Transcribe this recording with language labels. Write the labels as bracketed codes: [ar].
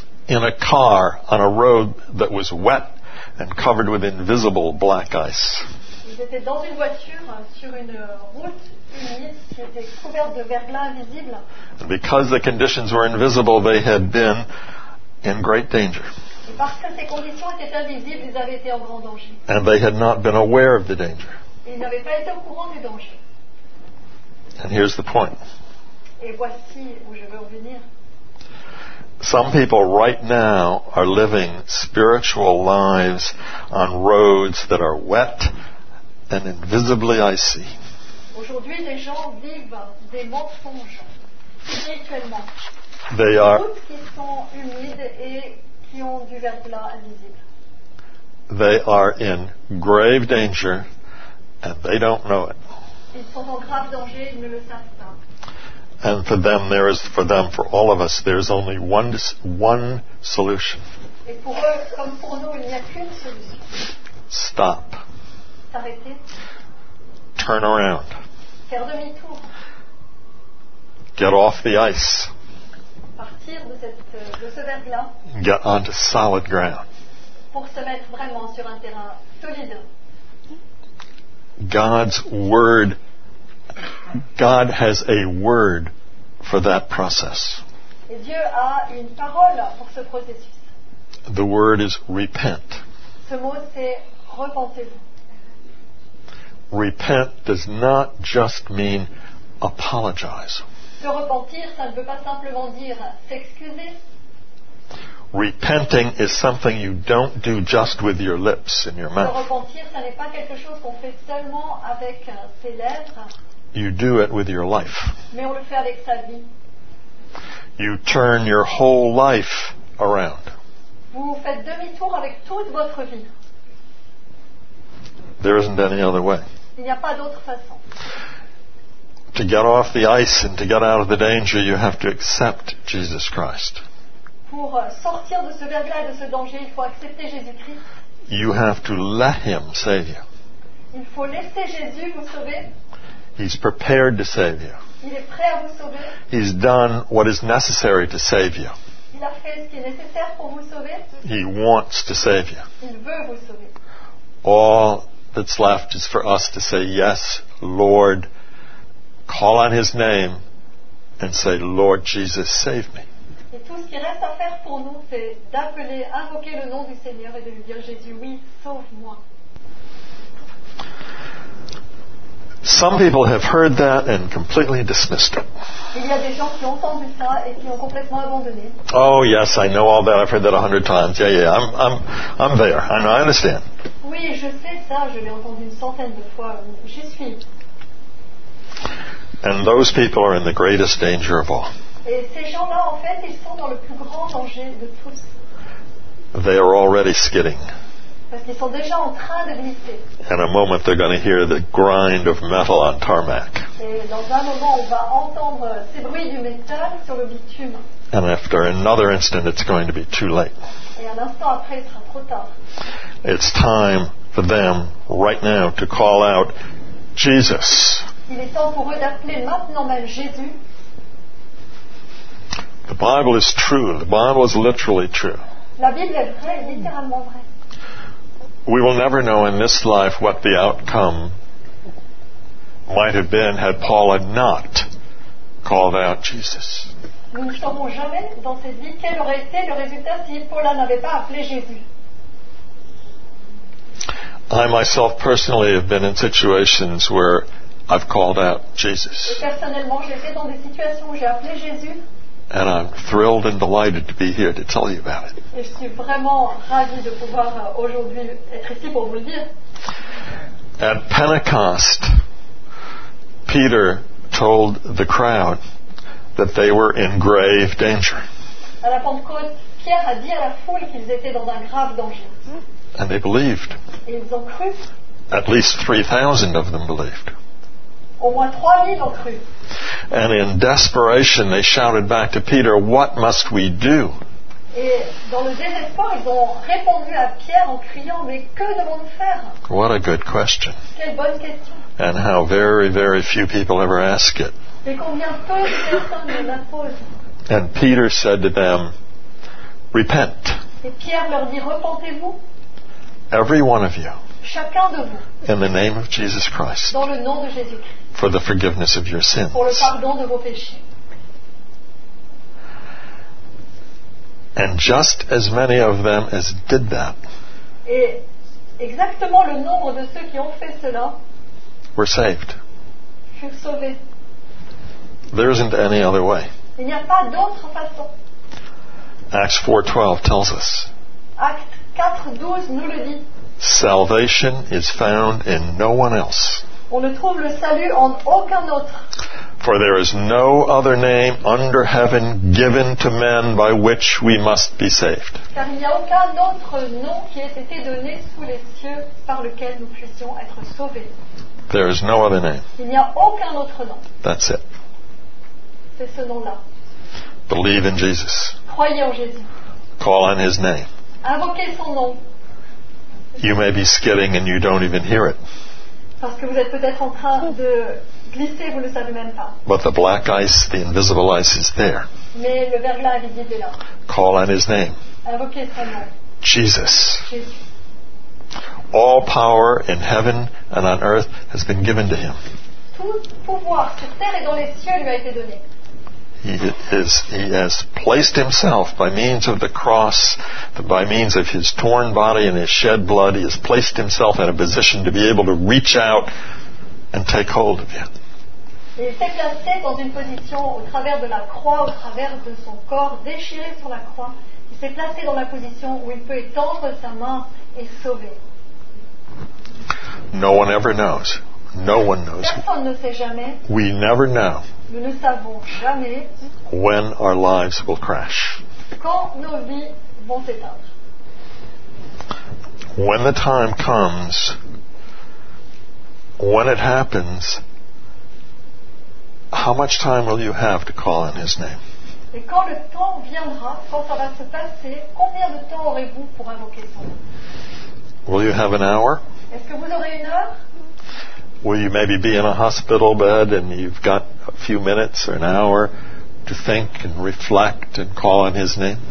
[en] In a car on a road that was wet and covered with invisible black ice. [fr] Ils étaient dans une voiture sur une route humide qui était couverte de verglas invisible. [en] And because the conditions were invisible, they had been in great danger. [fr] Et parce que ces conditions étaient invisibles, ils avaient été en grand danger. [en] And they had not been aware of the danger. [fr] Ils n'avaient pas été au courant du danger. [en] And here's the point. [fr] Et voici où je veux revenir. [en] Some people right now are living spiritual lives on roads that are wet and invisibly icy. [fr] Aujourd'hui, les gens vivent des mensonges spirituellement. [en] They are [fr] routes qui sont humides et qui ont du verglas invisible. [en] They are in grave danger and they don't know it. [fr] Ils sont en grave danger, ils ne le savent pas. [en] And for them, there is for them, for all of us, there is only one solution. [fr] Et pour eux, comme pour nous, il n'y a qu'une solution. [en] Stop. [fr] S'arrêter. [en] Turn around. [fr] Faire demi-tour. [en] Get off the ice. [fr] Partir de ce verglas. [en] Get onto solid ground. [fr] Pour se mettre vraiment sur un terrain solide. [en] God's word, God has a word for that process. [fr] Et Dieu a une parole pour ce processus. [en] The word is repent. [fr] Ce mot, c'est repentez-vous. [en] Repent does not just mean apologize. [fr] Se repentir, ça ne veut pas simplement dire s'excuser. [en] Repenting is something you don't do just with your lips and your mouth. [fr] Se repentir, ça n'est pas quelque chose qu'on fait seulement avec ses lèvres. [en] You do it with your life. [fr] Mais on le fait avec sa vie. [en] You turn your whole life around. [fr] Vous faites demi-tour avec toute votre vie. [en] There isn't any other way. [fr] Il n'y a pas d'autre façon. [en] to get off the ice and to get out of the danger, you have to accept Jesus Christ. [fr] Pour sortir de ce verglas et de ce danger, il faut accepter Jésus-Christ. [en] You have to let him save you. [fr] Il faut laisser Jésus vous sauver. [en] He's prepared to save you. [fr] Il est prêt à vous sauver. [en] He's done what is necessary to save you. [fr] Il a fait ce qui est nécessaire pour vous sauver. [en] He wants to save you. [fr] Il veut vous sauver. [en] All that's left is for us to say, yes, Lord, call on his name and say, Lord Jesus, save me. [fr] Et tout ce qui reste à faire pour nous, c'est d'appeler, invoquer le nom du Seigneur et de lui dire, Jésus, oui, sauve-moi. [en] Some people have heard that and completely dismissed it. [fr] Il y a des gens qui ont entendu ça et qui ont complètement abandonné. [en] Oh yes, I know all that. I've heard that 100 times. Yeah, I'm there. I know. I understand. [fr] Oui, je sais ça. Je l'ai entendu 100 fois. J'y suis. [en] And those people are in the greatest danger of all. [fr] Et ces gens-là, en fait, ils sont dans le plus grand danger de tous. [en] They are already skidding. [fr] Parce qu'ils sont déjà en train de glisser. [en] In a moment, they're going to hear the grind of metal on tarmac. [fr] Et dans un moment, on va entendre ces bruits du métal sur le bitume. [en] And after another instant, it's going to be too late. [fr] Et un instant après, il sera trop tard. [en] It's time for them right now to call out Jesus. [fr] Il est temps pour eux d'appeler maintenant même Jésus. [en] The Bible is true. The Bible is literally true. [fr] La Bible est vraie, littéralement vraie. [en] We will never know in this life what the outcome might have been had Paul had not called out Jesus. [fr] Nous ne saurons jamais dans cette vie quel aurait été le résultat si Paul n'avait pas appelé Jésus. [en] I myself personally have been in situations where I've called out Jesus. [fr] Et personnellement, j'ai été dans des situations où j'ai appelé Jésus. [en] And I'm thrilled and delighted to be here to tell you about it. [fr] Et je suis vraiment ravie de pouvoir aujourd'hui être ici pour vous le dire. [en] At Pentecost, Peter told the crowd that they were in grave danger. [fr] À la Pentecôte, Pierre a dit à la foule qu'ils étaient dans un grave danger. [en] And they believed. [fr] Et ils ont cru. [en] At least 3,000 of them believed. [fr] Au moins 3,000 ont cru. [en] And in desperation, they shouted back to Peter, "What must we do?" [fr] Et dans le désespoir, ils ont répondu à Pierre en criant, "Mais que devons-nous faire?" [en] What a good question. [fr] Quelle bonne question. [en] And how very, very few people ever ask it. [fr] Et combien peu de personnes la posent. [en] And Peter said to them, "Repent." [fr] Et Pierre leur dit, "Repentez-vous." [en] Every one of you. [fr] Chacun de vous. [en] In the name of Jesus Christ. [fr] Dans le nom de Jésus-Christ. [en] For the forgiveness of your sins. [fr] Pour le pardon de vos péchés. [en] And just as many of them as did that. [fr] Et exactement le nombre de ceux qui ont fait cela. [en] Were saved. [fr] Furent sauvés. [en] There isn't any other way. [fr] Il n'y a pas d'autre façon. [en] Acts 4:12 tells us. [fr] Acte 4:12 nous le dit. [en] Salvation is found in no one else. [fr] On ne trouve le salut en aucun autre. [en] For there is no other name under heaven given to men by which we must be saved. [fr] Car il n'y a aucun autre nom qui ait été donné sous les cieux par lequel nous puissions être sauvés. [en] There is no other name. [fr] Il n'y a aucun autre nom. [en] That's it. [fr] C'est ce nom-là. [en] Believe in Jesus. [fr] Croyez en Jésus. [en] Call on his name. [fr] Invoquez son nom. [en] You may be skidding and you don't even hear it. [fr] Parce que vous êtes peut-être en train de glisser, vous ne le savez même pas. [en] But the black ice, the invisible ice is there. [fr] Mais le verglas invisible est là. [en] Call on his name. [fr] Invoquez son nom. [en] Jesus. [fr] Jésus. [en] All power in heaven and on earth has been given to him. [fr] Tout pouvoir sur terre et dans les cieux lui a été donné. [en] He has placed himself by means of the cross, by means of his torn body and his shed blood, he has placed himself in a position to be able to reach out and take hold of you. [fr] Il s'est placé dans une position au travers de la croix, au travers de son corps déchiré sur la croix. Il s'est placé dans la position où il peut étendre sa main et sauver. [en] No one ever knows. No one knows. [fr] Personne ne sait jamais. [en] We never know. [fr] Nous ne savons jamais. [en] When our lives will crash. [fr] Quand nos vies vont s'éteindre. [en] When the time comes, when it happens, How much time will you have to call on his name? [fr] Et quand le temps viendra, quand ça va se passer, combien de temps aurez-vous pour invoquer son nom? [en] Will you have an hour? [fr] Est-ce que vous aurez une heure? [en] Will you maybe be in a hospital bed and you've got a few minutes or an hour to think and reflect and call on his name?